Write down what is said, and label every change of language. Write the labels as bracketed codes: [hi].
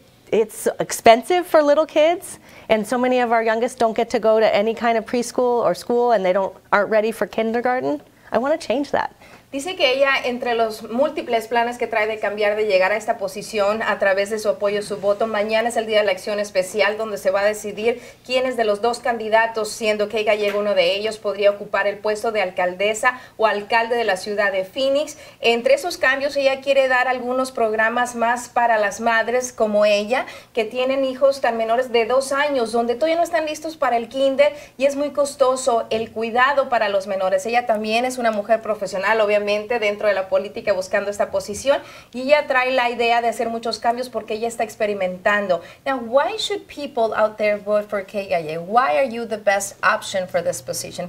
[en] It's expensive for little kids, and so many of our youngest don't get to go to any kind of preschool or school, and they aren't ready for kindergarten. I want to change that. [es] Dice que ella, entre los múltiples planes que trae de cambiar, de llegar a esta posición a través de su apoyo, su voto, mañana es el día de elección especial donde se va a decidir quiénes de los dos candidatos, siendo Kay Gallego uno de ellos, podría ocupar el puesto de alcaldesa o alcalde de la ciudad de Phoenix. Entre esos cambios, ella quiere dar algunos programas más para las madres como ella, que tienen hijos tan menores de 2 años, donde todavía no están listos para el kinder y es muy costoso el cuidado para los menores. Ella también es una mujer profesional, obviamente dentro de la política buscando esta posición, y ella trae la idea de hacer muchos cambios porque ella está experimentando. [en] Now, why should people out there vote for Kay Gallego? Why are you the best option for this position?